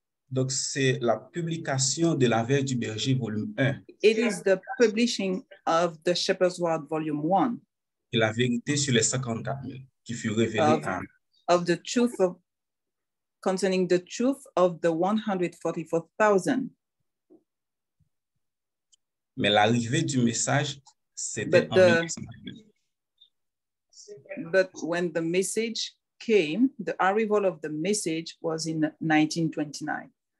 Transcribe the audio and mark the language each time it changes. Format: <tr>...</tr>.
<fr>Donc c'est la publication de la Verge du Berger, volume 1.</fr> <en>It is the publishing of the Shepherd's Rod, volume 1.</en> <fr>Et la vérité sur les 54,000 qui fut révélée</fr> <en>of, of the truth of concerning the truth of the 144,000.</en> <fr>Mais l'arrivée du message, c'était</fr> <en>but, the, but when the message came, the arrival of the message was in 1929.</en>